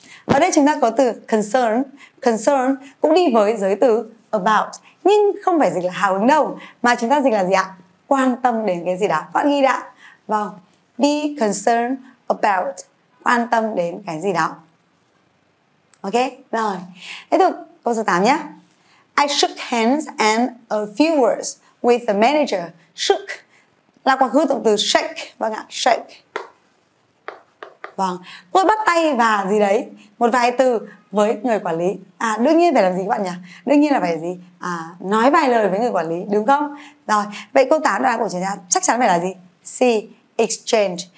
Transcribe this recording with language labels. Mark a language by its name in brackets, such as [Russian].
[Vietnamese] Ở đây chúng ta có từ concern. Concern cũng đi với giới từ about, nhưng không phải dịch là hào hứng đâu, mà chúng ta dịch là gì ạ? Quan tâm đến cái gì đó. Các bạn ghi đã. Vâng. Be concerned about, quan tâm đến cái gì đó. Ok. Rồi. Tiếp tục câu số 8 nhé. [English] I shook hands and a few words with the manager. [Vietnamese] Shook là quá khứ động từ shake. Vâng ạ. Shake. Vâng. Tôi bắt tay và gì đấy, một vài từ với người quản lý. À, đương nhiên phải làm gì các bạn nhỉ? Đương nhiên là phải gì? À, nói vài lời với người quản lý, đúng không? Rồi, vậy câu 8 đoạn của chúng ta chắc chắn phải là gì? C, exchange.